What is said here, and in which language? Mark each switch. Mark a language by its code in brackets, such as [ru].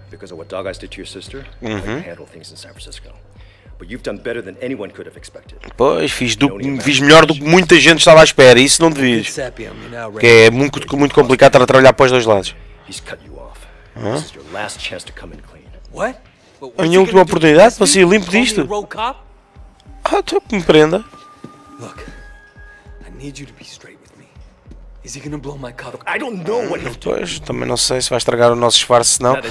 [en] Because of what Dog Eyes did to your sister, I can't handle things in San Francisco. But you've done better than anyone could have expected. [pt] Pois, fiz melhor do que muita gente estava à espera. Isso não devias. Que é muito, muito complicado estar a trabalhar para os dois lados. [en] He's cut you off. This is your last chance to come and clean. What? [pt] A minha última oportunidade para sair limpo disto? Ah, tu me prenda. [en] Look, I need you to be straight with me. Is he gonna blow my car? I don't know what he'll do. [pt] Pois, também não sei se vai estragar o nosso esforço, senão.